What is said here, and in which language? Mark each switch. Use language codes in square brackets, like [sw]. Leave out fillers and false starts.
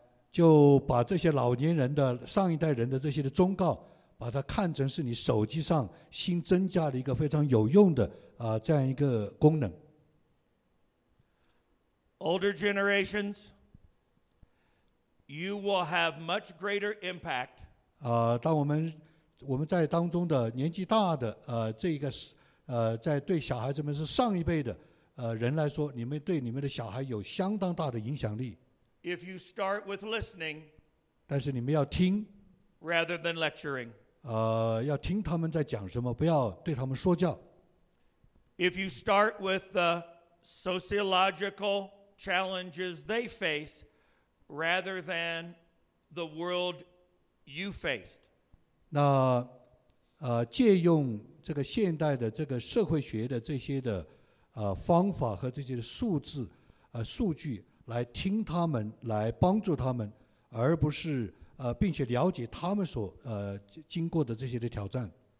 [zh] 就把这些老年人的上一代人的这些的忠告，把它看成是你手机上新增加了一个非常有用的这样一个功能。 [en] Older generations, you will have much greater impact. [zh] 当我们在当中的年纪大的这一个在对小孩子们是上一辈的人来说，你们对你们的小孩有相当大的影响力。 [en] If you start with listening, [zh] 但是你们要听 [en] rather than lecturing. [zh] 要听他们在讲什么，不要对他们说教。 [en] If you start with the sociological challenges they face, rather than the world you faced. [zh] 那借用这个现代的这个社会学的这些的方法和这些数字数据来听他们，来帮助他们，而不是并且了解他们所经过的这些的挑战。